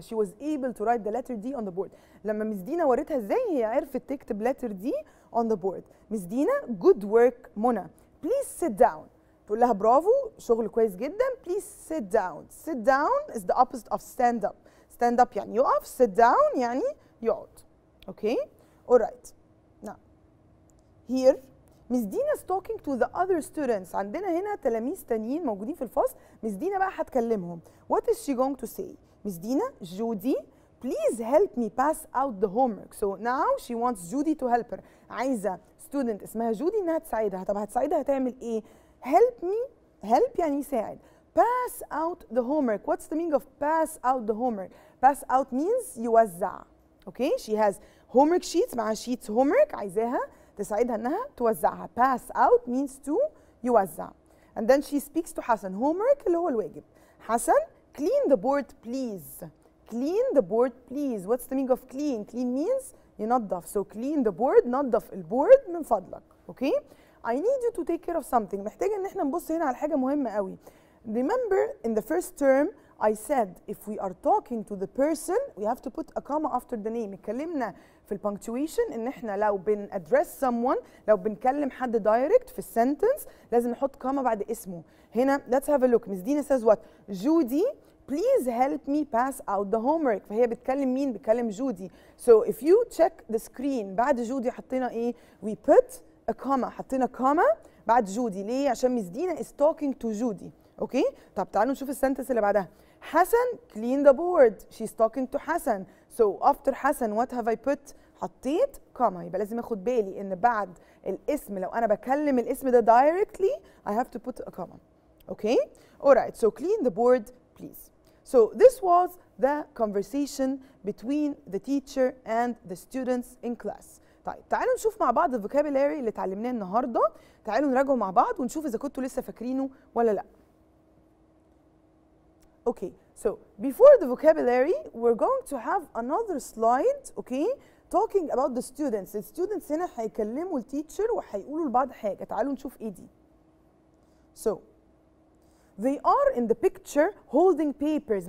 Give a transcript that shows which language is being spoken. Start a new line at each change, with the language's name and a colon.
English: She was able to write the letter D on the board.
Arabic: لما مس دينا وريتها ازاي هي عرفت تكتب
English: letter D on the board. Miss Dina, good work, Mona. Please sit down.
Arabic: تقول لها برافو شغل كويس جدا.
English: Please sit down. Sit down is the opposite of stand up. Stand up
Arabic: يعني يقف.
English: Sit down
Arabic: يعني يقعد.
English: Okay? Alright. Now, here, Miss Dina is talking to the other students.
Arabic: عندنا هنا تلاميذ تانيين موجودين في الفصل.
English: Miss Dina
Arabic: بقى هتكلمهم.
English: What is she going to say? Miss Dina, Judy, please help me pass out the homework. So now she wants Judy to help her.
Arabic: عايزة student اسمها Judy انها تساعدها. طب هتساعدها هتعمل ايه?
English: Help me. Help
Arabic: يعني ساعد.
English: Pass out the homework. What's the meaning of pass out the homework? Pass out means يوزع. Okay? She has homework sheets معها sheets homework.
Arabic: عايزاها تساعدها انها توزعها.
English: Pass out means to يوزع. And then she speaks to Hassan. Homework
Arabic: اللي هو الواجب.
English: Hassan, clean the board, please. Clean the board, please. What's the meaning of clean? Clean means ينظف. So clean the board,
Arabic: نظف البورد من فضلك.
English: Okay? I need you to take care of something.
Arabic: محتاجة إن إحنا نبص هنا على حاجة مهمة قوي.
English: Remember in the first term I said if we are talking to the person we have to put a comma after the name.
Arabic: اتكلمنا في الـ punctuation إن إحنا لو بن
English: address someone
Arabic: لو بنكلم حد direct في sentence لازم نحط comma بعد اسمه.
English: هنا let's have a look. Miss Dina says what? Judy, please help me pass out the homework.
Arabic: فهي بتكلم مين؟ بتكلم جودي.
English: So if you check the screen
Arabic: بعد جودي حطينا إيه؟
English: We put a comma.
Arabic: حطينا comma بعد جودي. ليه؟ عشان
English: Miss Dina is talking to
Arabic: جودي. اوكي طب تعالوا نشوف السنتنس اللي بعدها. حسن
English: clean the board. She's talking to Hassan. So after Hassan what have I put?
Arabic: حطيت كاما. يبقى لازم اخد بالي ان بعد الاسم لو انا بكلم الاسم ده directly
English: I have to put a comma. Okay alright so clean the board please. So this was the conversation between the teacher and the students in class.
Arabic: طيب تعالوا نشوف مع بعض الفوكابولاري اللي اتعلمناه النهارده. تعالوا نراجعه مع بعض ونشوف اذا كنتوا لسه فاكرينه ولا لا.
English: Okay, so before the vocabulary, we're going to have another slide, okay, talking about the students.
Arabic: The students هنا هيكلموا الteacher وهيقولوا لبعض حاجة. تعالوا نشوف ايه دي.
English: So, they are in the picture holding papers.